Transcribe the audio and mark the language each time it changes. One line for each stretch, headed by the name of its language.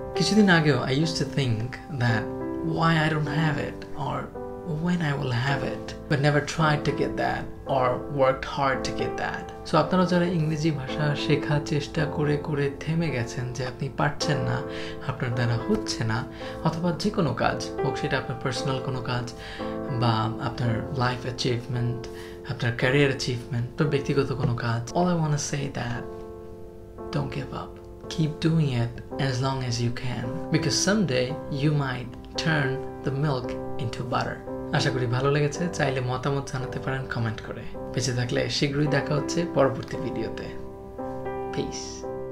Bangla: কিছুদিন আগেও
English: I used to think that why I don't have it or when I will have it, but never tried to get that or worked hard to get that.
Bangla: So আপনারা যারা ইংরেজি ভাষা শেখার চেষ্টা করে করে থেমে গেছেন যে আপনি পারছেন না, আপনার দ্বারা হচ্ছে না, অথবা যে কোনো কাজ হোক, সেটা আপনার পার্সোনাল কোনো কাজ বা আপনার লাইফ অ্যাচিভমেন্ট, আপনার ক্যারিয়ার অ্যাচিভমেন্ট বা ব্যক্তিগত কোনো কাজ,
English: all I want to say that don't give up. Keep doing it as long as you can, because someday you might turn the milk into butter.
Bangla: আশা করি ভালো লেগেছে, চাইলে মতামত জানাতে পারেন কমেন্ট করে. বেঁচে থাকলে শীঘ্রই দেখা হচ্ছে পরবর্তী ভিডিওতে. Peace.